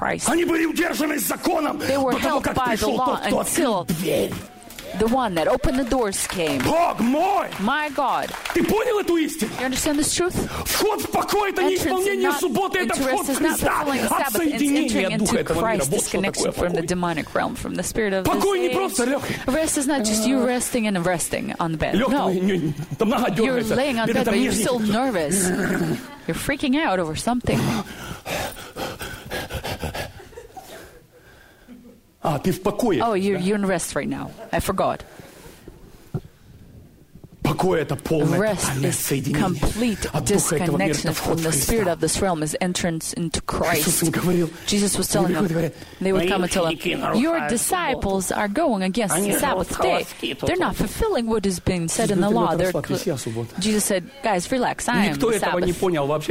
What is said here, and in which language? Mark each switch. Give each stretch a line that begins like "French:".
Russian: Они были удержаны законом до того, как пришел тот, кто открыл дверь.
English: The one that opened the doors came.
Russian: Бог мой!
English: My God!
Russian: Ты понял эту истину?
English: You understand this truth?
Russian: Вход в покой — это не исполнение субботы, это вход в Христа. Отсоединение Духа этого мира. Вот что такое покой.
English: From the demonic realm, from the spirit of
Russian: покой
English: this
Russian: не просто легкий.
English: Rest is not just you resting and resting on the bed.
Russian: Там нога дергается.
English: You're laying on bed, but you're still nervous. You're freaking out over something.
Russian: А, ты в покое.
English: Oh, you're in rest right now. I forgot.
Russian: Покой — это полное тотальное соединение.
English: Complete disconnection from the spirit of this realm is entrance into Christ. Jesus was telling them, they would come and tell him, your disciples are going against the Sabbath day. They're not fulfilling what is being said in the law. Jesus said, guys, relax, I am the Sabbath.